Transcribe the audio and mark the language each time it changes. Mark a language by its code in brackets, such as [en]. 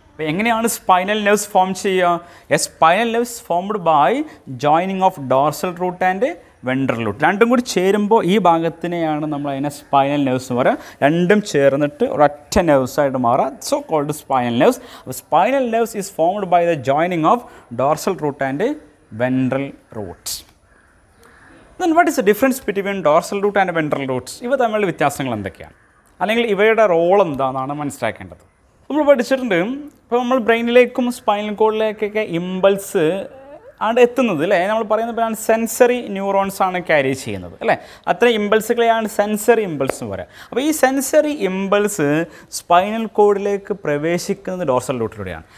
[ml] അപ്പോൾ എങ്ങനെയാണ് spinal nerves form ചെയ്യുക? [en] A spinal nerves formed by joining of dorsal root and ventral root. [ml] രണ്ടും കൂടി ചേരുമ്പോൾ ഈ ഭാഗത്തിനെയാണ് നമ്മൾ അതിനെ സ്പൈനൽ നെർവ്സ് എന്ന് പറയുക. രണ്ടും ചേർന്നിട്ട് ഒരൊറ്റ നെർവ്സായിട്ട് മാറുക, സോ കോൾഡ് സ്പൈനൽ നെർവ്സ്. [en] അപ്പോൾ spinal nerves is formed by the joining of dorsal root and ventral root. Then what is the difference between dorsal root and ventral roots? [ml] ഇവ തമ്മിലുള്ള വ്യത്യാസങ്ങൾ എന്തൊക്കെയാണ്, അല്ലെങ്കിൽ ഇവയുടെ റോൾ എന്താണെന്നാണ് മനസ്സിലാക്കേണ്ടത്. നമ്മൾ പഠിച്ചിട്ടുണ്ട് ഇപ്പോൾ നമ്മൾ ബ്രെയിനിലേക്കും സ്പൈനൽ കോഡിലേക്കൊക്കെ ഇമ്പൾസ് ആണ് എത്തുന്നത് അല്ലേ. നമ്മൾ പറയുന്നത് പോലെയാണ് സെൻസറി ന്യൂറോൺസ് ആണ് ക്യാരി ചെയ്യുന്നത് അല്ലേ. അത്ര ഇമ്പൾസുകളെയാണ് സെൻസറി ഇമ്പൾസ് എന്ന് പറയുക. അപ്പോൾ ഈ സെൻസറി ഇമ്പൾസ് സ്പൈനൽ കോഡിലേക്ക് പ്രവേശിക്കുന്നത് ഡോർസൽ റൂട്ടിലൂടെയാണ്.